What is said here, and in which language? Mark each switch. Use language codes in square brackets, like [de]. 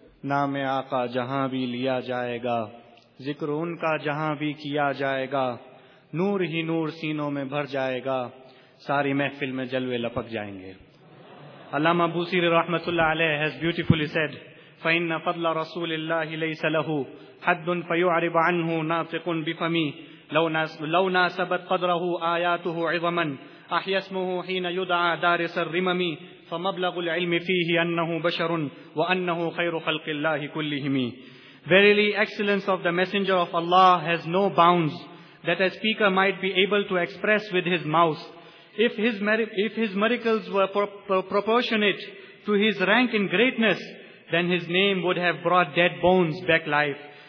[ur] نام آقا جہاں بھی لیا جائے گا، ذکر ان کا جہاں بھی کیا جائے گا، نور ہی نور سینوں میں بھر جائے گا، ساری محفل میں جلوے لپک جائیں گے. علامہ بوسیری رحمۃ اللہ علیہ [en] has beautifully said، [ar] فإن فضل رسول اللہ ليس له حد فيعرب عنه ناطق بفمي، لو ناسبت قدره آیاته عظما احیا اسمه حين يدعى دارس الرمم، فمبلغ العلم فيه انه بشر وانه خير خلق الله كلهم. [en] Verily excellence of the messenger of Allah has no bounds that a speaker might be able to express with his mouth. If his miracles were proportionate to his rank in greatness, then his name would have brought dead bones back life.